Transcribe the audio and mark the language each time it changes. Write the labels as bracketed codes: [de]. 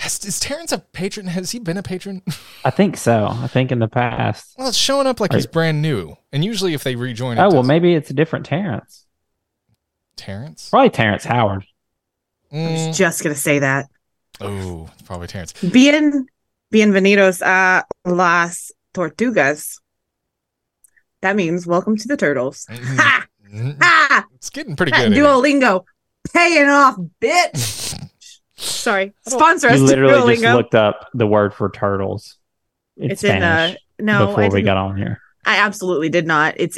[en] Is Terrence a patron? Has he been a patron? I think so. I think in the past. Well, it's showing up like he's brand new. And usually if they rejoin. Oh, well, maybe it's a different Terrence. Terrence? Probably Terrence Howard. I was just going to say that. Oh, probably Terrence. [es] Bienvenidos a las tortugas. [en] That means welcome to the turtles. Ha! It's getting pretty good. Duolingo paying off, bitch. Sorry. Sponsor us. You literally Duolingo. Just looked up the word for turtles. It's Spanish before we got on here. I absolutely did not. It's